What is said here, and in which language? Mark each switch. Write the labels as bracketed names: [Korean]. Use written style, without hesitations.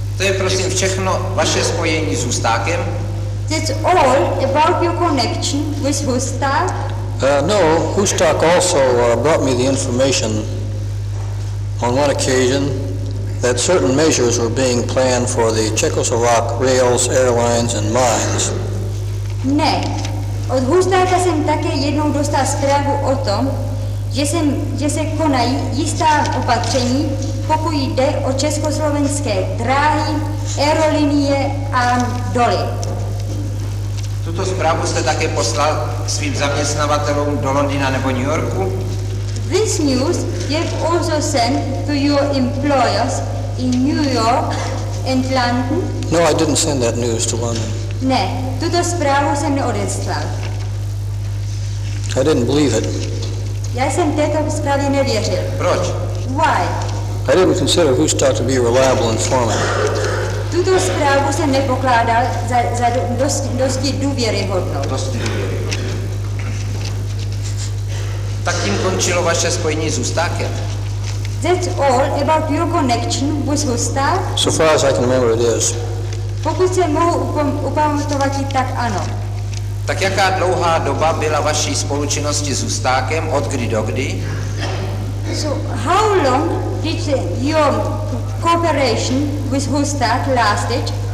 [Czech] To je prosím všechno vaše spojení s Hustákem? [English] That's all about your connection with Hustak? No, Hustak also brought me the information on one occasion that certain measures were being planned for the Czechoslovak rails, airlines and mines. [Czech] Ne, od Hustáka jsem také jednou dostal zprávu o tom, že se konají jistá opatření, pokud jde o československé dráhy, aerolinie a doly. Tuto zprávu jste také poslal svým zaměstnavatelům do Londýna nebo New Yorku? [English] This news you've also sent to your employers in New York and London? No, I didn't send that news to London. [Czech] Ne, tuto zprávu jsem neodeslal. [English] I didn't believe it. [Czech] Já jsem této zprávě nevěřil. Proč? [English] Why? I didn't consider Hustak to be a reliable informant. [Czech] Tuto zprávu jsem nepokládal za dosti důvěryhodnou. Tak tím končilo vaše spojení s Hustákem. [English] That's all about your connection with Hustak? So far as I can remember it is. [Czech] Pokud se mohu upamatovat, tak ano. Tak jaká dlouhá doba byla vaší spolučinnosti s Hustákem, od kdy do kdy? [English] So how long did your cooperation with Hustak lasted?